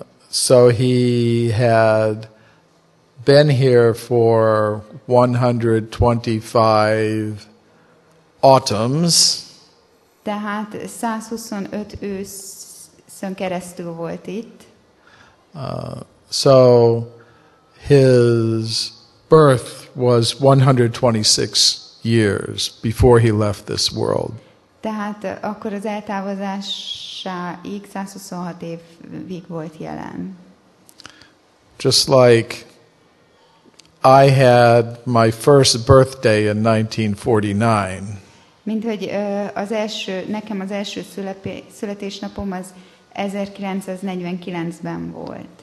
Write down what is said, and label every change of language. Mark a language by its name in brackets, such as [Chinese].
[English] So he had been here for 125 autumns. [Hungarian] Tehát 125 őszön keresztül volt itt. [English] So his birth was 126 years before he left this world. [Hungarian] Tehát akkor az eltávozásáig 126 évig volt jelen. [English] Just like I had my first birthday in 1949. [Hungarian] Mint hogy nekem az első születésnapom az 1949-ben volt.